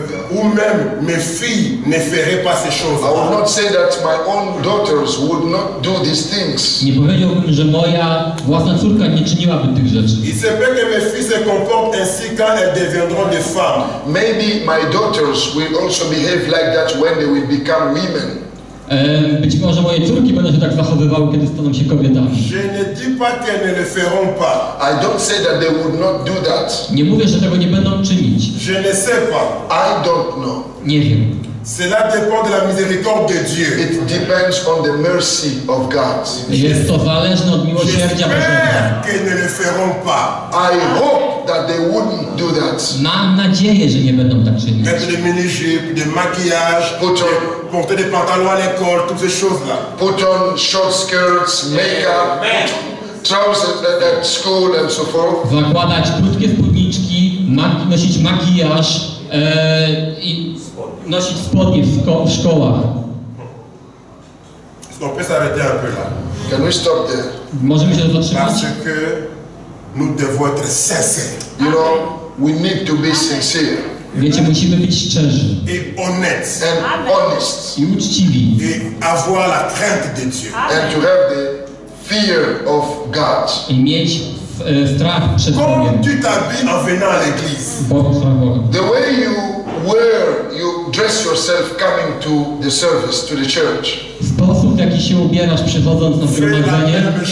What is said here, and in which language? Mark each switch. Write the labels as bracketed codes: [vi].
[fr] Ou même mes filles ne feraient pas ces choses. [en] I would not say that my own daughters would not do these things. [pl] Nie powiedziałbym, że moja własna córka nie czyniłaby tych rzeczy. [fr] Il se peut que mes filles se comportent ainsi quand elles deviendront des femmes. [en] Maybe my daughters will also behave like that when they will become women. [pl] Być może moje córki będą się tak zachowywały, kiedy staną się kobietami. [fr] Je ne dis pas qu'elles ne le feront pas. [en] I don't say that they would not do that. [pl] Nie mówię, że tego nie będą czynić. [fr] Je ne sais pas. [en] I don't know. [pl] Nie wiem. [fr] Cela dépend de la miséricorde de Dieu. [en] It depends on the mercy of God. [pl] Jest to zależne od miłosierdzia Bożego. [fr] Je ne le feront pas. [en] I hope that they wouldn't. do that. [pl] Mam nadzieję, że nie będą tak czynić. [fr] Mettre des mini-jupes, des maquillages, porter des pantalons à l'école, toutes ces choses-là. [en] Put on short skirts, makeup, trousers at school and so forth. [pl] Zakładać krótkie spódniczki, nosić makijaż i nosić spodnie w szkołach. [fr] On peut s'arrêter un peu là. [en] Can we stop there? [pl] Możemy się zatrzymać. [fr] Parce que nous devons être sincères. [en] You know, we need to be sincere. [pl] Wiecie, musimy być szczerzy. [fr] Et honnêtes. [en] And honest. [pl] I uczciwi. [fr] Et avoir la crainte de Dieu. [en] And to have the fear of God. [pl] I mieć strach przed Bogiem. [fr] Comme tu t'habilles en venant à l'église. [en] The way you wear, you dress yourself coming to the service, to the church. [pl] W jaki się ubierasz przychodząc na zgromadzenie?